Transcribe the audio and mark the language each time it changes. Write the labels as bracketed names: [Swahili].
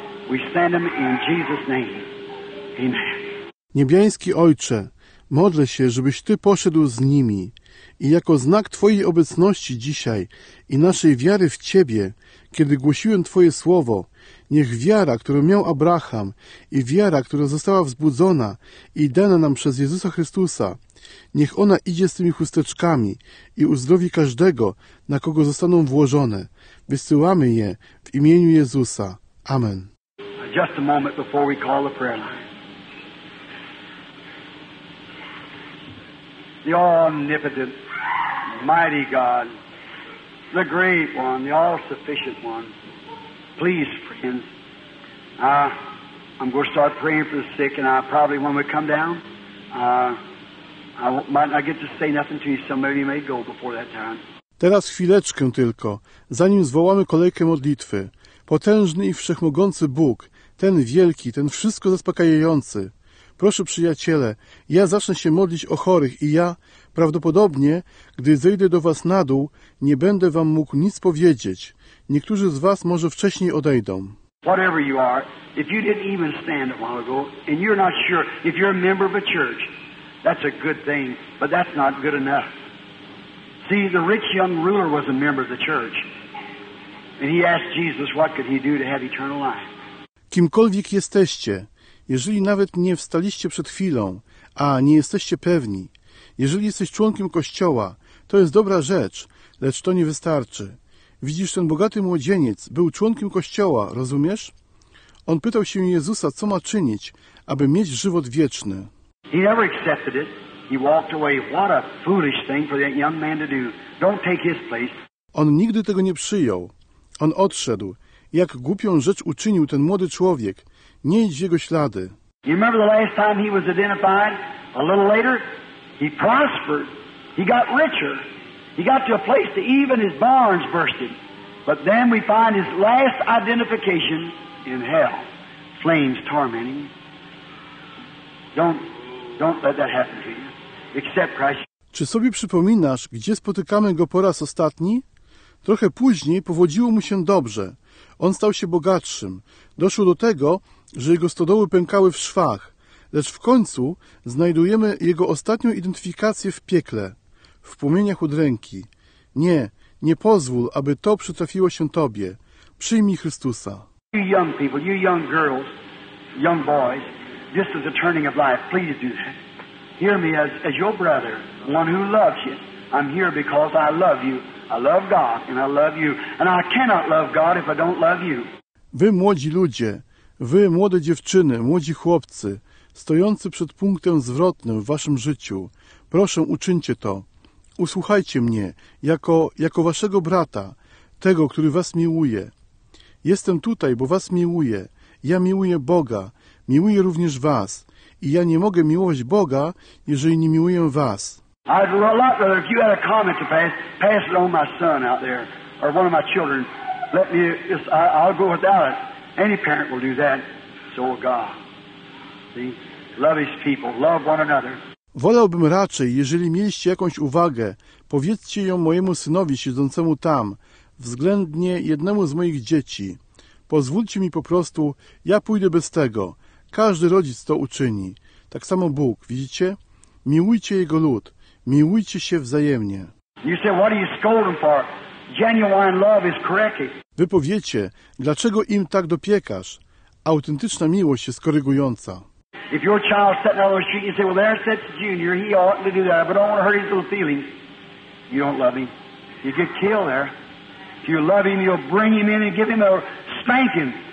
[English] We send them in Jesus' name. Amen. [Polish] Niebiański Ojcze, modlę się, żebyś Ty poszedł z nimi. I jako znak Twojej obecności dzisiaj i naszej wiary w Ciebie, kiedy głosiłem Twoje słowo, niech wiara, którą miał Abraham i wiara, która została wzbudzona i dana nam przez Jezusa Chrystusa, niech ona idzie z tymi chusteczkami i uzdrowi każdego, na kogo zostaną włożone. Wysyłamy je w imieniu Jezusa. Amen. [English] Just a moment before we call the prayer line. The omnipotent, mighty God, the great one, the all-sufficient one. Please, friends, I'm going to start praying for the sick, and I probably, when we come down, I might not get to say nothing to you. Some of you may go before that time. [Polish] Teraz chwileczkę tylko, zanim zwołamy kolejkę modlitwy. Potężny i wszechmogący Bóg, ten wielki, ten wszystko zaspokajający. Proszę, przyjaciele, ja zacznę się modlić o chorych i ja, prawdopodobnie, gdy zejdę do was na dół, nie będę wam mógł nic powiedzieć. Niektórzy z was może wcześniej odejdą. [English] Whatever you are, if you didn't even stand a while ago, and you're not sure, if you're a member of a church, that's a good thing, but that's not good enough. See, the rich young ruler was a member of the church. And he asked Jesus, what could he do to have eternal life? [Polish] Kimkolwiek jesteście, jeżeli nawet nie wstaliście przed chwilą, a nie jesteście pewni, jeżeli jesteś członkiem Kościoła, to jest dobra rzecz, lecz to nie wystarczy. Widzisz, ten bogaty młodzieniec był członkiem Kościoła, rozumiesz? On pytał się Jezusa, co ma czynić, aby mieć żywot wieczny. [English] He never accepted it. He walked away. What a foolish thing for that young man to do. Don't take his place. [Polish] On nigdy tego nie przyjął. On odszedł. Jak głupią rzecz uczynił ten młody człowiek. Nie idź w jego ślady. [English] You remember the last time he was identified? A little later, he prospered. He got richer. He got to a place that even his barns bursted. But then we find his last identification in hell. Flames tormenting. Don't let that happen to you. Except Christ. [Polish] Czy sobie przypominasz, gdzie spotykamy go po raz ostatni? Trochę później powodziło mu się dobrze. On stał się bogatszym. Doszło do tego, że jego stodoły pękały w szwach. Lecz w końcu znajdujemy jego ostatnią identyfikację w piekle, w płomieniach udręki. Nie, nie pozwól, aby to przytrafiło się Tobie. Przyjmij Chrystusa. [English] You young people, you young girls, young boys, this is a turning of life. Please do that. Hear me as your brother, one who loves you. I'm here because I love you. I love God and I love you. And I cannot love God if I don't love you. [Polish] Wy młodzi ludzie, wy młode dziewczyny, młodzi chłopcy, stojący przed punktem zwrotnym w waszym życiu, proszę, uczyńcie to. Usłuchajcie mnie jako waszego brata, tego, który was miłuje. Jestem tutaj, bo was miłuję. Ja miłuję Boga, miłuję również was. I ja nie mogę miłować Boga, jeżeli nie miłuję was. [English] I'd love if you had a comment to pass, pass it on my son out there, or one of my children. Let me, I'll go without it. Any parent will do that. So will God. See? Love his people. Love one another. [Polish] Wolałbym raczej, jeżeli mieliście jakąś uwagę, powiedzcie ją mojemu synowi siedzącemu tam, względnie jednemu z moich dzieci. Pozwólcie mi po prostu, ja pójdę bez tego. Każdy rodzic to uczyni. Tak samo Bóg, widzicie? Miłujcie jego lud. Miłujcie się wzajemnie. [English] You say, what are you scolding for? Genuine love is correcting. [Polish] Wy powiecie, dlaczego im tak dopiekasz? Autentyczna miłość jest korygująca. [English] If your child sitting on the street, you say, well, there sits Junior. He ought to do that, but I don't want to hurt his little feelings. You don't love him. You get killed there. If you love him, you'll bring him in and give him a spanking.